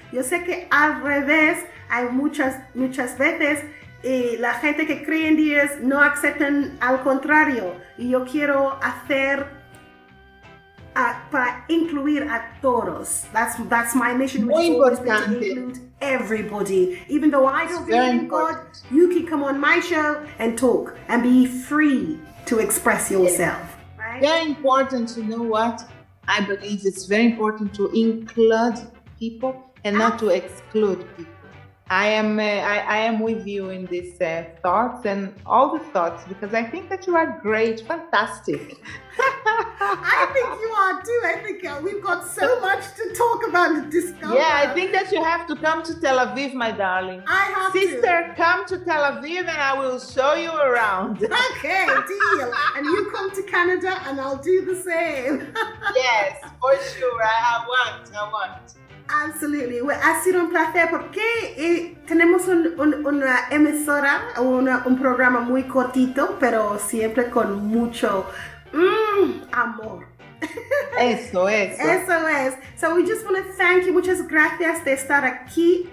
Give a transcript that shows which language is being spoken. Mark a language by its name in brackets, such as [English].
[Spanish] Yo sé que al revés, hay muchas veces, la gente que cree en Dios no aceptan al contrario. Y yo quiero hacer para incluir a todos. [English] That's my mission. [Spanish] Muy importante. [English] To include everybody. Even though I don't believe in God, you can come on my show and talk and be free to express yourself. Yeah. Right? Very important. You know what? I believe it's very important to include people and not to exclude people. I am with you in these thoughts and all the thoughts because I think that you are great, fantastic. I think you are too. I think we've got so much to talk about and discover. Yeah, I think that you have to come to Tel Aviv, my darling. I have Sister, to. Sister, come to Tel Aviv and I will show you around. Okay, deal. And you come to Canada and I'll do the same. Yes, for sure. I want. Absolutely. [Spanish] Well, ha sido un placer porque tenemos una emisora, un programa muy cortito, pero siempre con mucho amor. Eso es. [English] So we just want to thank you. [Spanish] Muchas gracias de estar aquí.